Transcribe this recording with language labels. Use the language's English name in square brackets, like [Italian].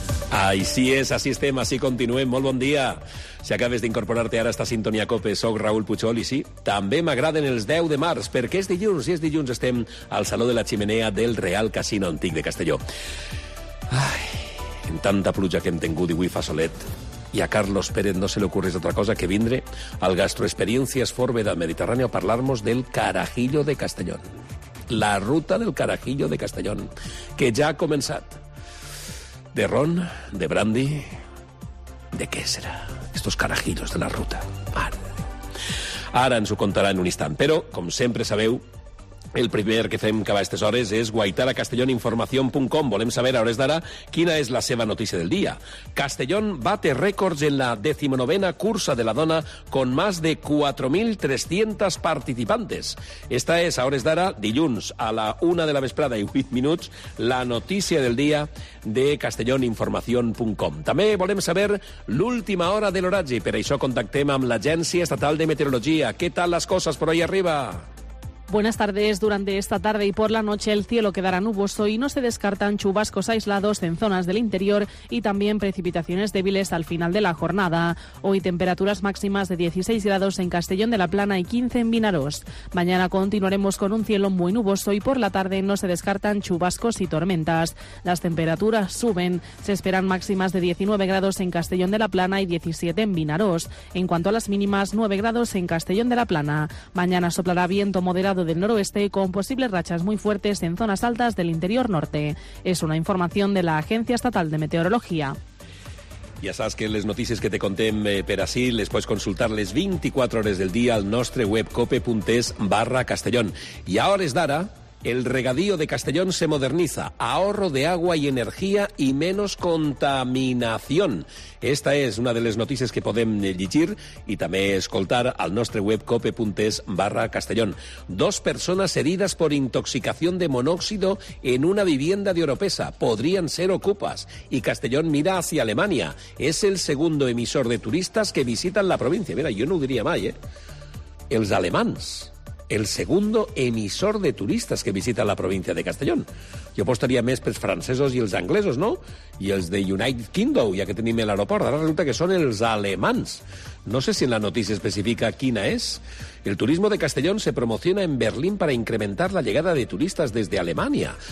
[Catalan] Ay, sí es, así estem, así continuem. Molt bon dia. Si acabes d'incorporar-te ara a esta sintonia COPE, soc Raül Puchol i sí, també m'agraden els 10 de març, perquè és dilluns i és dilluns estem al Saló de la Ximenea del Real Casino Antic de Castelló. Ai, en tanta pluja que hem tingut i avui fa solet, i a Carlos Pérez no se li ocorre altra cosa que vindre al Gastroexperiències Forbe del Mediterrani a parlar-nos del Carajillo de Castellón. La ruta del Carajillo de Castellón, que ja ha començat. De ron, de brandy, de què serà? Estos carajillos de la ruta. Ara ens ho contarà en un instant. Però, com sempre sabeu, el primer que fem cap a aquestes hores és guaitar a castellonainformación.com. Volem saber a hores d'ara quina és la seva notícia del dia. [Spanish] Castellón bate rècords en la 19a [Catalan] cursa de la dona [Spanish] con más de 4.300 participantes. [Catalan] Esta és, a hores d'ara, dilluns, a la 1 de la vesprada i 8 minuts, la notícia del dia de castellonainformación.com. També volem saber l'última hora de l'horatge. Per això contactem amb l'Agència Estatal de Meteorologia. Què tal les coses per ahí arriba? [Spanish] Buenas tardes. Durante esta tarde y por la noche el cielo quedará nuboso y no se descartan chubascos aislados en zonas del interior y también precipitaciones débiles al final de la jornada. Hoy temperaturas máximas de 16 grados en Castellón de la Plana y 15 en Vinaroz. Mañana continuaremos con un cielo muy nuboso y por la tarde no se descartan chubascos y tormentas. Las temperaturas suben. Se esperan máximas de 19 grados en Castellón de la Plana y 17 en Vinaroz. En cuanto a las mínimas, 9 grados en Castellón de la Plana. Mañana soplará viento moderado del noroeste con posibles rachas muy fuertes en zonas altas del interior norte. Es una información de la Agencia Estatal de Meteorología. [Catalan] Ja saps que les notícies que te contem per ací les pots consultar les 24 hores del dia al nostre web cope.es/Castellón. I a hores d'ara, [Spanish] el regadío de Castellón se moderniza. Ahorro de agua y energía y menos contaminación. [Catalan] Esta és una de les notícies que podem llegir i també escoltar al nostre web cope.es/Castellón. [Spanish] Dos persones heridas por intoxicación de monóxido en una vivienda de Oropesa. Podrían ser ocupas. Y Castellón mira hacia Alemania. Es el segundo emisor de turistas que visitan la provincia. Mira, yo no diría mai, ¿eh? [Catalan] Els alemans. [Spanish] El segundo emisor de turistas que visita la provincia de Castellón. Yo apostaría más [Catalan] pels francesos [Spanish] y [Catalan] els anglesos, [Spanish] ¿no? [Catalan] Y els de United Kingdom, ya que tenim el aeroport. Ara resulta que són els alemans. No sé si en la notícia especifica quina és. [Spanish] El turismo de Castellón se promociona en Berlín para incrementar la llegada de turistas desde Alemania.